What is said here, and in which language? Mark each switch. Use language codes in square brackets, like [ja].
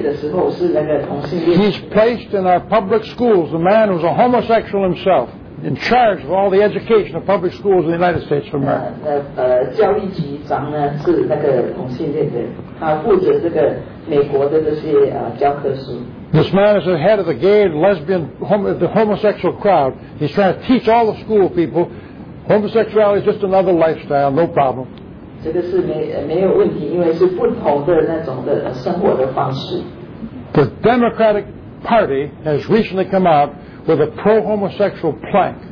[en] He's placed in our public schools a man who's a homosexual himself, in charge of all the education of public schools in the United States of America. [zh] 教育局长呢,是那个同性恋的,他负责这个美国的这些教科书。 [en] This man is the head of the gay and lesbian, the homosexual crowd. He's trying to teach all the school people homosexuality is just another lifestyle, no problem. [zh] 这个是没有问题,因为是不同的那种的生活的方式。 [en] The Democratic Party has recently come out with a pro-homosexual plank.